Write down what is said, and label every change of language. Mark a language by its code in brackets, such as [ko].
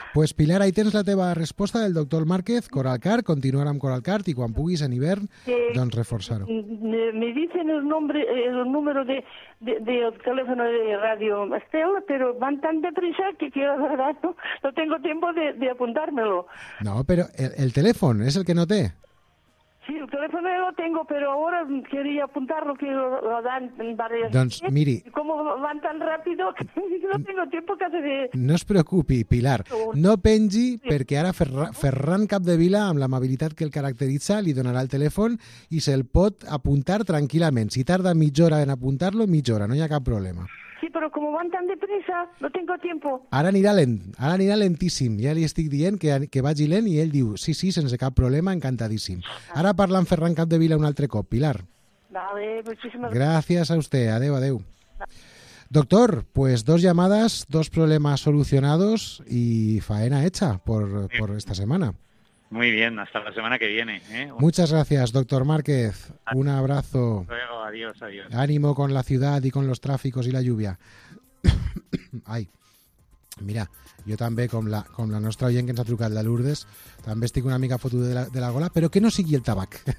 [ca] Pues Pilar, ahí tens la teva resposta del doctor Márquez, Coralcar, continuar amb Coralcar i quan puguis en hivern, doncs reforçar-ho. [es] Me dicen el nombre, el número de teléfono de Radio Estel, pero van tan deprisa que quiero verdad, no tengo tiempo de apuntármelo. No, pero el teléfono es el que noté. Sí, el teléfono lo tengo, pero ahora quería apuntarlo, que lo dan varias. [ca] Doncs, miri... [es] Como van tan rápido, que no tengo tiempo casi de... [ca] No es preocupi, Pilar. No pengi, sí. Perquè ara Ferran Capdevila, amb l'amabilitat que el caracteritza, li donarà el telèfon i se'l pot apuntar tranquil·lament. Si tarda mitja hora en apuntar-lo, mitja hora, no hi ha cap problema. [es] Sí, pero como van tan deprisa, no tengo tiempo. [ca] Ara anirà lentíssim. Ja li estic dient que vagi lent i ell diu, sí, sí, sense cap problema, encantadíssim. Ara parla amb Ferran Capdevila un altre cop, Pilar. [es] Vale, muchísimas gracias. Gracias a usted, [ca] adeu, adeu. [es] Doctor, pues dos llamadas, dos problemas solucionados y faena hecha por esta semana. Muy bien, hasta la semana que viene. Muchas gracias, doctor Márquez. Un abrazo. Luego, adiós, adiós. Ánimo con la ciudad y con los tráficos y la lluvia. Ay, mira, yo también con la nuestra oyente que nos ha trucado la Lourdes, también estoy con una amiga foto de la gola, pero [ca] que no sigui el tabac.